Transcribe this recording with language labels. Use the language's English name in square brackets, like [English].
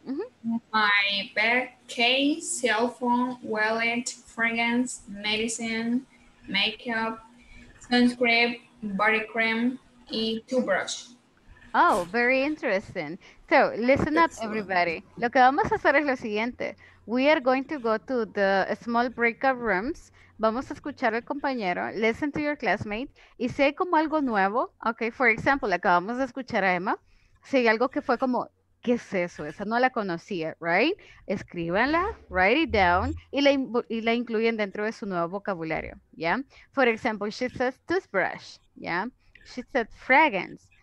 [English] Mm-hmm. My bag, case, cell phone, wallet, fragrance, medicine, makeup, sunscreen, body cream, y toothbrush. Oh, very interesting. So, listen up, everybody. [Spanish] Lo que vamos a hacer es lo siguiente. [English] We are going to go to the small breakout rooms. [Spanish] Vamos a escuchar al compañero. [English] Listen to your classmate. [Spanish] Y si hay como algo nuevo, okay, [English] for example, [Spanish] acabamos de escuchar a Emma. Si hay algo que fue como, ¿qué es eso? Esa no la conocía, right? Escríbanla, [English] write it down, [Spanish] y la incluyen dentro de su nuevo vocabulario, yeah? [English] For example, she says toothbrush, yeah? She said fragrance.